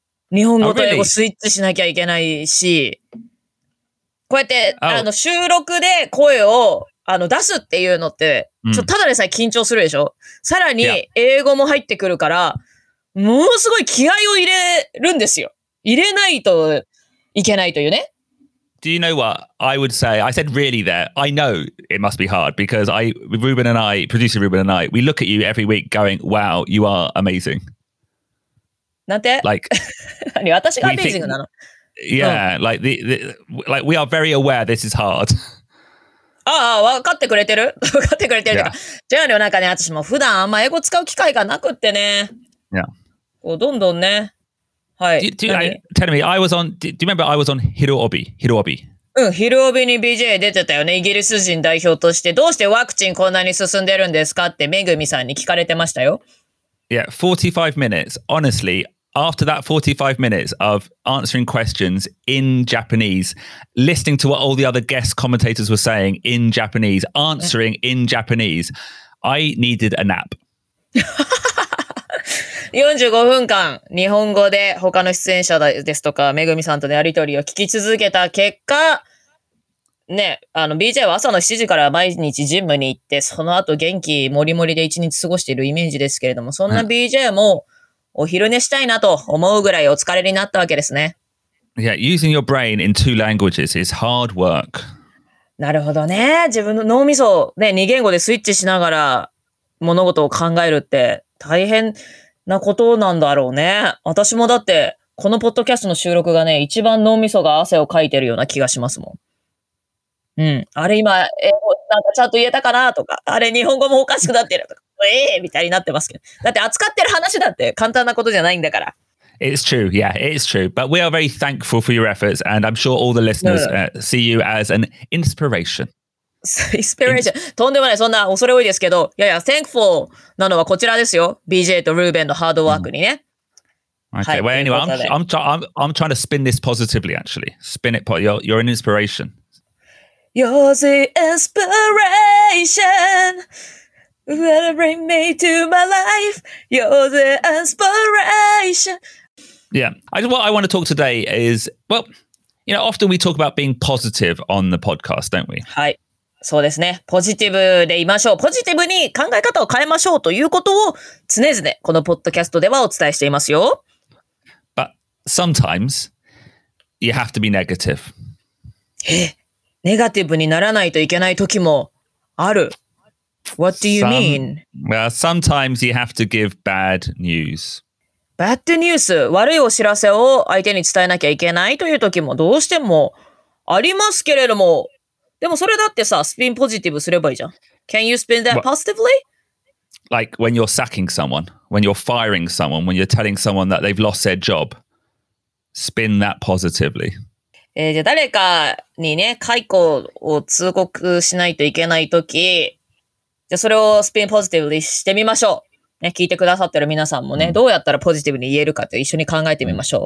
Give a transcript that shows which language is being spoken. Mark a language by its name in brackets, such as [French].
[Japanese] 日本語と英語スイッチしなきゃいけないし、こうやって、あの、収録で声を、あの、出すっていうのって、ちょっとただでさえ緊張するでしょ？さらに、英語も入ってくるから、ものすごい気合を入れるんですよ。入れないといけないというね。 [English] Do you know what I would say? I said really there. I know it must be hard because producer Ruben and I, we look at you every week going, wow, you are amazing. [Japanese] なんて? [English] Like, [Japanese] 何?私が amazing なの?Think, [English] yeah, like, we are very aware this is hard. [Japanese] ああ、分かってくれてる?分かってくれてる。違うよ、なんかね、私も普段あんま英語使う機会がなくってね。 [English] Yeah. [Japanese] こうどんどんね。はい。 [English] Tell me, I was on. Do you remember I was on Hiroobi? Hiroobi. [Japanese] うん、Hiroobiに BJ 出てたよね。イギリス人代表として、どうしてワクチンこんなに進んでるんですかってめぐみさんに聞かれてましたよ。 [English] Yeah, 45 minutes. Honestly, after that 45 minutes of answering questions in Japanese, listening to what all the other guest commentators were saying in Japanese, answering in Japanese, I needed a nap. [Japanese] 45分間日本語で他の出演者ですとかめぐみさんとのやり取りを聞き続けた結果ね、あの BJ は朝の7時から毎日ジムに行ってその後元気もりもりで1日過ごしているイメージですけれども、そんな BJ もお昼寝したいなと思うぐらいお疲れになったわけですね。 [English] Yeah, using your brain in two languages is hard work. [Japanese] なるほどね、自分の脳みそね、2言語でスイッチしながら物事を考えるって大変なことなんだろうね。私もだってこのポッドキャストの収録がね、一番脳みそが汗をかいてるような気がしますもん。うん、あれ今英語なんかちゃんと言えたかなとか、あれ日本語もおかしくなってるとか、みたいになってますけど、だって扱ってる話だって簡単なことじゃないんだから。 [English] It's true, yeah, it's true. But we are very thankful for your efforts, and I'm sure all the listeners see you as an inspiration. [Japanese] Inspiration. とんでもない、そんな恐れ多いですけど、いやいや、 thankful なのはこちらですよ、 BJ とルーベンのハードワークにね。 [English] Okay, well anyway, I'm trying to spin this positively actually. Spin it, you're an inspiration. You're the inspiration that bring me to my life. You're the inspiration. Yeah, what I want to talk today is, well, you know, often we talk about being positive on the podcast, don't we? [Japanese] はい、そうですね。ポジティブでいましょう。ポジティブに考え方を変えましょうということを常々このポッドキャストではお伝えしていますよ。 [English] But sometimes you have to be negative. [Japanese] ネガティブにならないといけない時もある。 [English] What do you mean? Well, sometimes you have to give bad news. [Japanese] Bad news、悪いお知らせを相手に伝えなきゃいけないという時もどうしてもありますけれども。でもそれだってさ、スピンポジティブすればいいじゃん。 [English] Can you spin that positively? Like when you're sacking someone, when you're firing someone, when you're telling someone that they've lost their job, spin that positively. [Japanese] じゃあ誰かにね、解雇を通告しないといけないとき、じゃあそれをスピンポジティブにしてみましょう。ね、聞いてくださってる皆さんもね、どうやったらポジティブに言えるかって一緒に考えてみましょう。